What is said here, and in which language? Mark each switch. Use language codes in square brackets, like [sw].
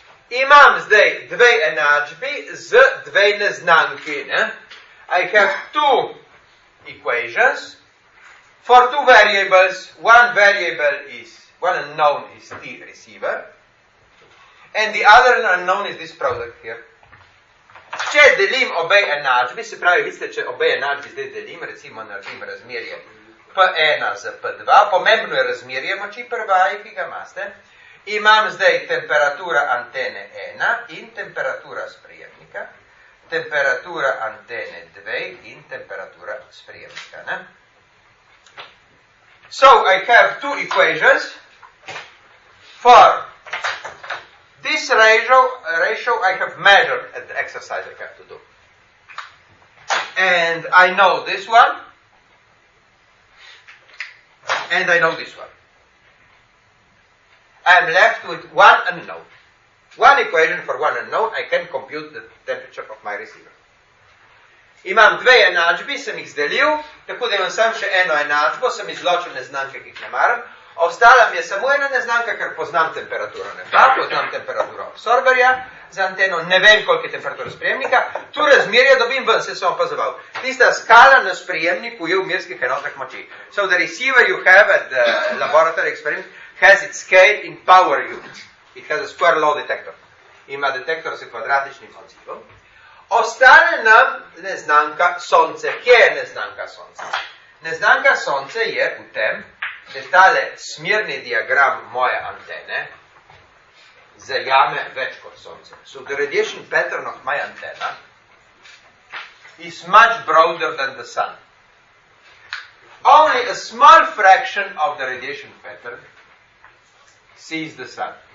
[sl] Imam zdaj dve enačbi z dve neznanki. Ne? [en] I have two equations for two variables. One variable is, one unknown is the receiver. And the other unknown is this product here. [sl] Če delim obe enačbi, se pravi, vidite, če obe enačbi zdaj delim, recimo naredim razmerje P1 z P2, pomembno je razmerje moči prvaj, ki ga imate, imam zdaj temperatura antene 1 in temperatura sprejemnika, temperatura antene 2 in temperatura sprejemnika. Ne? [en] So, I have two equations for this ratio I have measured at the exercise I have to do. And I know this one. And I know this one. I am left with one unknown. One equation for one unknown. I can compute the temperature of my receiver. [sl] Imam dve enačbi, sem jih zdelil. Tako da imam sam še eno enačbo. Sem izločil neznanke, ki jih ne maram. Ostala mi je samo ena neznanka, ker poznam temperaturo neba, poznam temperaturo absorberja za anteno, ne vem, koliko je temperatura sprejemnika. Tu razmerje dobim ven, se sem opazoval. Tista skala na sprejemniku je v merskih enotah moči. [en] So the receiver you have at the laboratory experiment has its scale in power units. It has a square law detector. [sl] Ima detektor s kvadratičnim odzivom. Ostala nam neznanka sonce. Kje je neznanka sonce? Neznanka sonce je v tem, da tale smerni diagram moje antene zajame več kot sonce. [en] So the radiation pattern of my antenna is much broader than the sun. only a small fraction of the radiation pattern sees the sun.